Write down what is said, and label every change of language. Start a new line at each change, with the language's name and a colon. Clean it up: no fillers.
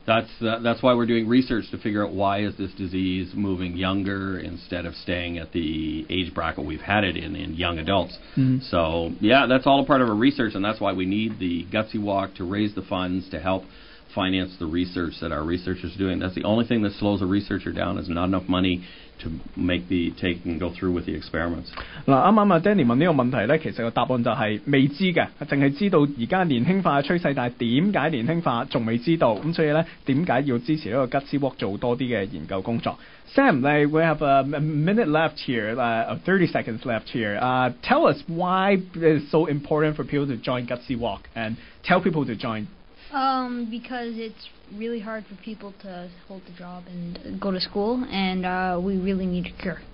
English: That's why we're doing research to figure out why is this disease moving younger instead of staying at the age bracket we've had it in young adults. So yeah, that's all a part of our research, and that's why we need the Gutsy Walk to raise the funds to help finance the research that our researchers are doing. That's the only thing that slows a researcher down, is not enough money to make the take and go through with the experiments.
Cantonese: 嗱，啱啱啊 ，Danny 問呢個問題咧，其實個答案就係未知嘅，淨係知道而家年輕化嘅趨勢，但係點解年輕化仲未知道，咁所以咧點解要支持呢個 Gutsy Walk 做多啲嘅研究工作。
English: Sam, we have a minute left here, 30 seconds left here. Tell us why it's so important for people to join Gutsy Walk and tell people to join. Because it's really hard for people to hold the job and go to school, and we really need a cure.